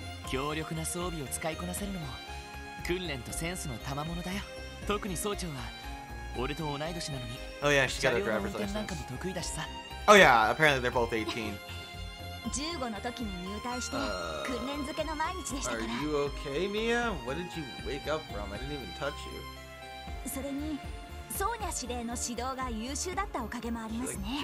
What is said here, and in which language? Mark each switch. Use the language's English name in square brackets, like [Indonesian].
[Japanese] 強力な装備を使いこなせるのも、訓練とセンスの賜物だよ。特に総長は、俺と同い年なのに、 [English] oh, yeah, she got a driver's license. [Japanese] 車両の運転なんかも得意だしさ。 [English] Oh yeah, apparently they're both 18. [Japanese] 15の時に入隊して、訓練漬けの毎日でしたから。 [English] Are you okay, Mia? What did you wake up from? I didn't even touch you. [Japanese] それに、ソーニャ司令の指導が優秀だったおかげもありますね。